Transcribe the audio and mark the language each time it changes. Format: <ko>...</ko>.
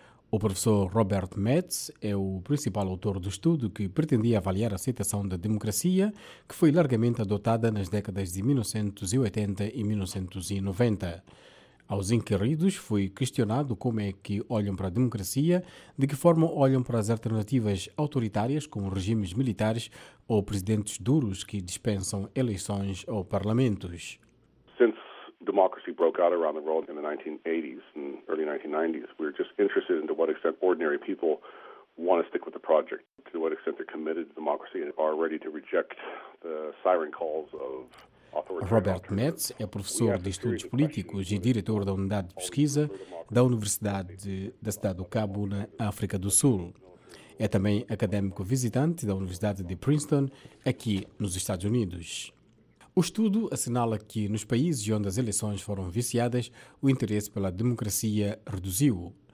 <pt>O professor Robert Metz é o principal autor do estudo que pretendia avaliar a aceitação da democracia, que foi largamente adotada nas décadas de 1980 e 1990. Aos inquiridos foi questionado como é que olham para a democracia, de que forma olham para as alternativas autoritárias, como regimes militares ou presidentes duros que dispensam eleições ou parlamentos.</pt> <en>Democracy broke out around the world in the 1980s and early 1990s. We were just interested in to what extent ordinary people want to stick with the project, to what extent they're committed to democracy and are ready to reject the siren calls of</en> <pt>Robert Metz é professor de Estudos Políticos e diretor da Unidade de Pesquisa da Universidade da Cidade do Cabo, na África do Sul. É também acadêmico visitante da Universidade de Princeton, aqui nos Estados Unidos. O estudo assinala que, nos países onde as eleições foram viciadas, o interesse pela democracia reduziu.</pt>